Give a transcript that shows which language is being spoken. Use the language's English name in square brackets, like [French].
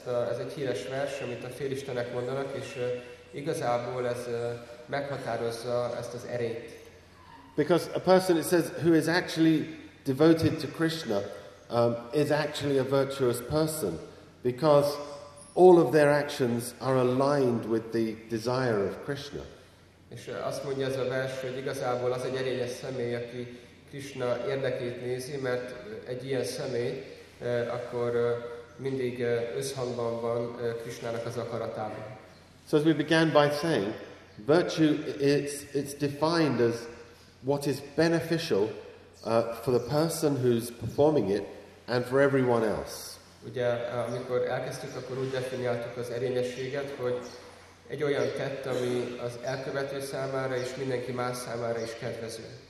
[Hungarian] Ez egy híres vers, amit a félistenek mondanak, és igazából ez meghatározza ezt az erényt. [English] Because a person, it says, who is actually devoted to Krishna, is actually a virtuous person, because all of their actions are aligned with the desire of Krishna. [Hungarian] És azt mondja ez a vers, hogy igazából az egy erényes személy, aki Krishna érdekét nézi, mert egy ilyen személy, akkor mindig összhangban van Krishnának az akaratában. [English] So as we began by saying, virtue it's defined as what is beneficial for the person who's performing it and for everyone else. [Hungarian] Ugye, amikor elkezdtük, akkor úgy definiáltuk az erényességet, hogy egy olyan tett, ami az elkövető számára és mindenki más számára is kedvező.